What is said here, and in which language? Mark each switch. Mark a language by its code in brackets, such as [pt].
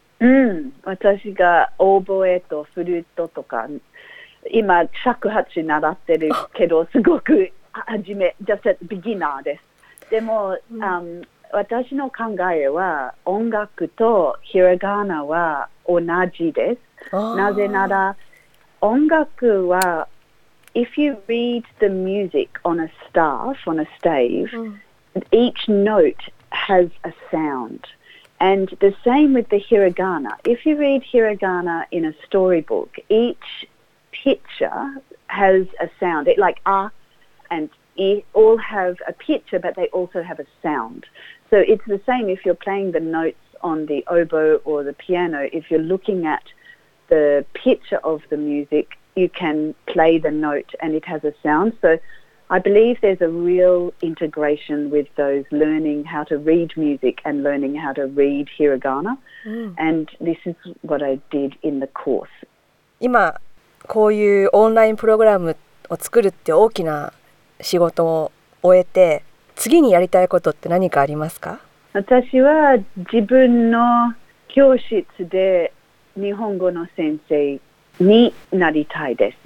[ja] うん、私がオーボエとフルートとか今尺八習ってるけど、すごく初め、 [en] just a beginner [ja] です。でも、うん、私の考えは音楽とひらがなは同じです。なぜなら音楽は [en] if you read the music on a staff, on a stave, each note has a sound. And the same with the hiragana. If you read hiragana in a storybook, each picture has a sound. It, like a and I all have a picture, but they also have a sound. So it's the same if you're playing the notes on the oboe or the piano. If you're looking at the picture of the music, you can play the note and it has a sound. So I believe there's a real integration with those learning how to read music and learning how to read hiragana. Mm. And this is what I did in the course. [ja] 今こういうオンラインプログラムを作るって大きな仕事を終えて、次にやりたいことって何かありますか？私は自分の教室で日本語の先生になりたいです。